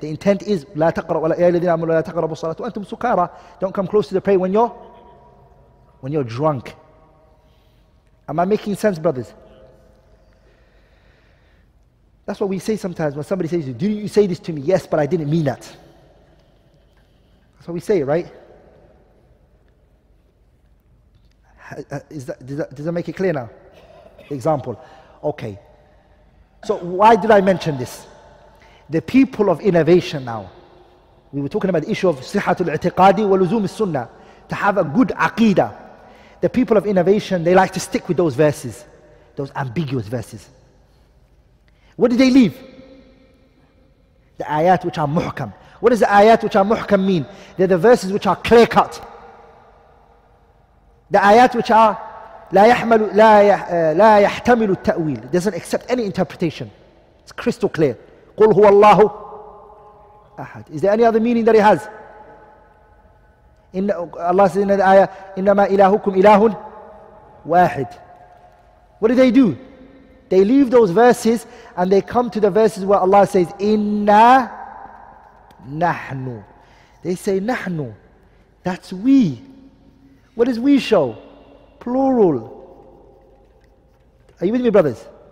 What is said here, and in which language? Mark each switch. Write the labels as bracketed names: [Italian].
[English] The intent is [Arabic] لا تقرب ولا يا الذين آمنوا لا تقربوا الصلاة وأنتم سكارى. [English] Don't come close to the prayer when you're drunk. Am I making sense, brothers? That's what we say sometimes when somebody says, "Did you say this to me?" Yes, but I didn't mean that. That's what we say, right? Does that make it clear now? Example. Okay. So why did I mention this? The people of innovation now. We were talking about the issue of sihatul i'tiqadi wa luzum as-sunnah. To have a good aqeedah. The people of innovation, they like to stick with those verses. Those ambiguous verses. What did they leave? The ayat which are muhkam. What does the ayat which are muhkam mean? They're the verses which are clear cut. The ayat which are [Arabic] لا يحتمل التأويل. [English] Doesn't accept any interpretation. It's crystal clear. [Arabic] قل هو الله أحد. [English] Is there any other meaning that he has? Allah says in the ayah, [Arabic] إنما إلهكم إله واحد. [English] What do? They leave those verses and they come to the verses where Allah says, [Arabic] إنا نحن. [English] They say, نحن. That's we. What does we show? Plural. Are you with me, brothers?